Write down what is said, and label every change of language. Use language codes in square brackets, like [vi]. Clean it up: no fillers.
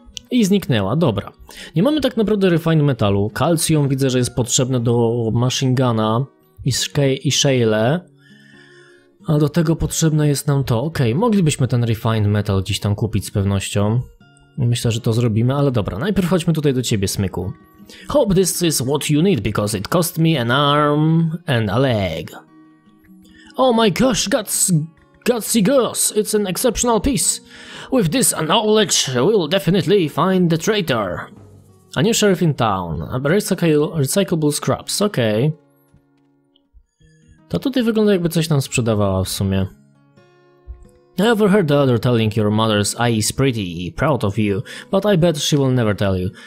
[pl] I zniknęła, dobra. Nie mamy tak naprawdę refine metalu. Kalcjum widzę, że jest potrzebne do machine guna i shale. A do tego potrzebne jest nam to. Okej, okay, moglibyśmy ten refined metal gdzieś tam kupić z pewnością. Myślę, że to zrobimy, ale dobra. Najpierw chodźmy tutaj do ciebie, smyku. [en] Hope this is what you need, because it cost me an arm and a leg. Oh my gosh, gutsy girls, it's an exceptional piece. With this knowledge, we'll definitely find the traitor. A new sheriff in town. Recyclable scraps, okej. Okay. [pl] To tutaj wygląda, jakby coś nam sprzedawała w sumie. [en] I overheard the other telling your mother's I is pretty, proud of you, but I bet she will never tell you.